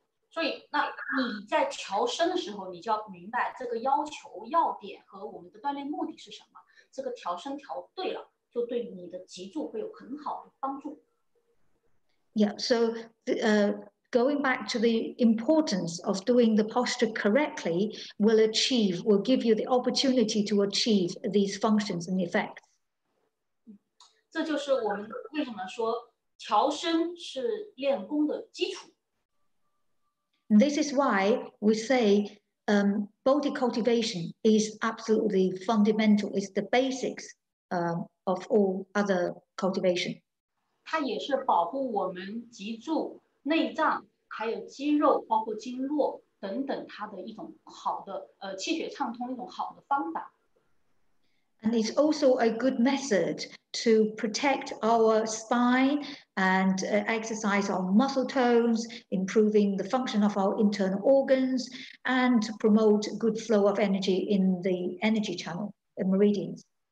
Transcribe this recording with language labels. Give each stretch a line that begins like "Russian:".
Chinese: 所以，那你在调身的时候，你就要明白这个要求要点和我们的锻炼目的是什么。这个调身调对了，就对你的脊柱会有很好的帮助。
English: Yeah, so going back to the importance of doing the posture correctly will give you the opportunity to achieve these functions and effects.
Chinese: 这就是我们为什么说调身是练功的基础。
English: This is why we say body cultivation is absolutely fundamental, it's the basics of all other cultivation.
Chinese: 它也是保护我们脊柱、内脏还有肌肉包括经络等等它的一种好的气血畅通一种好的方法。
English: And it's also a good method to protect our spine and exercise our muscle tones, improving the function of our internal organs, and to promote good flow of energy in the energy channel, the meridians.